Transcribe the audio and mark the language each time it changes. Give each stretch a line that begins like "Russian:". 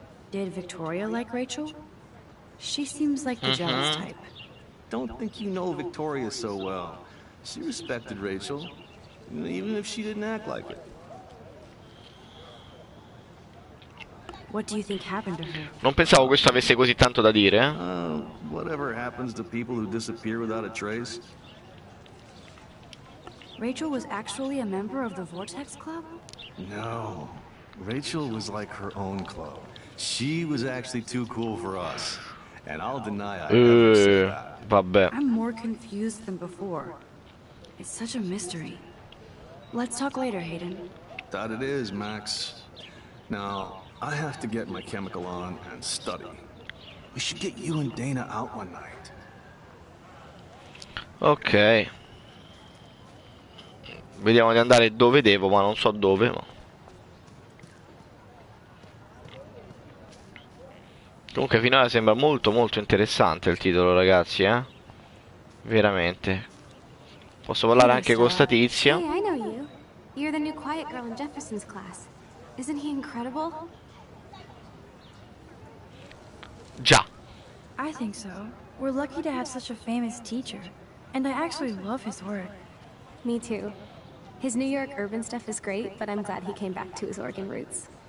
English: Did Victoria like Rachel? She seems like the jealous type. Don't think you know Victoria so well. She respected Rachel, even if she didn't act like it. What do you think happened to her?
Italian: Non pensavo questo avesse così tanto da dire.
English: Whatever happens to people who disappear without a trace. Rachel was actually a member of the Vortex Club? No. Rachel was like her own club. She was actually too cool for us. And I'll deny I ever said that.
Italian: Vabbè.
English: I'm more confused than before. It's such a mystery. Let's talk later, Hayden. That it is, Max. Now, I have to get my chemical on and study. We should get you and Dana out one night. Okay.
Italian: Vediamo di andare dove devo, ma non so dove. Ma... Comunque finora sembra molto molto interessante il titolo, ragazzi, eh? Veramente. Posso parlare anche con sta tizia.
English: Hey, I know you. You're the new quiet girl in Jefferson's class. Isn't he incredible?
Italian: Già.
English: I think so. We're lucky to have such a famous teacher. And I actually love his work. Me too. His New York urban stuff is great, but I'm glad he came back to his Oregon roots.